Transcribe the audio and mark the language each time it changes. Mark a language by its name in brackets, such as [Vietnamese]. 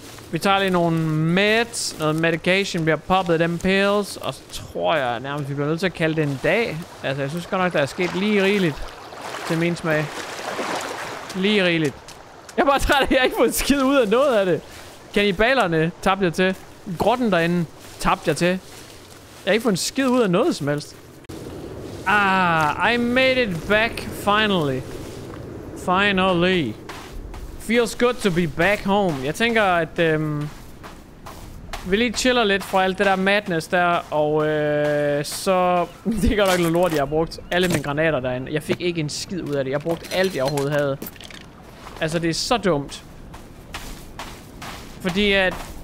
[Danish] Vi tager lige nogle meds, noget medication, vi har poppet dem pills, og så tror jeg nærmest, vi bliver nødt til at kalde det en dag. Altså, jeg synes godt nok, der er sket lige rigeligt til min smag. Lige rigeligt. Jeg er bare træt, at jeg ikke får skid ud af noget af det. Kannibalerne tabte jeg til. Grotten derinde tabte jeg til. Jeg har ikke fået skid ud af noget som helst. [English] Ah, I made it back, finally. Finally. Feels good to be back home. [Danish] Jeg tænker, at vi lige chiller lidt fra alt det der madness der, og så... Det er godt nok noget lort, jeg har brugt alle mine granater derinde. Jeg fik ikke en skid ud af det. Jeg brugte alt, jeg overhovedet havde. Altså, det er så dumt. Fordi at...